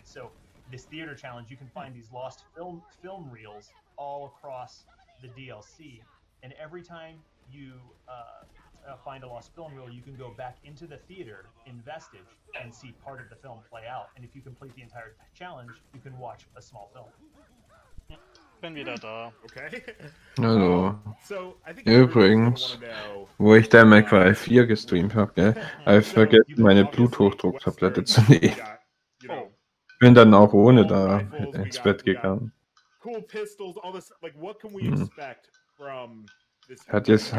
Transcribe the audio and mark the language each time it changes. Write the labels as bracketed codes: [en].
[en] So this theater challenge, you can find these lost film reels all across the DLC. And every time you find a lost film reel, you can go back into the theater in Vestige and see part of the film play out. And if you complete the entire challenge, you can watch a small film. [de] Bin wieder da. Okay. Hallo. Übrigens, wo ich der MacWire 4 gestreamt habe, gell? Habe ich vergessen, meine Bluthochdrucktablette zu nehmen. Bin dann auch ohne da ins Bett gegangen. [en] Cool pistols, all this, like, what can we expect from this?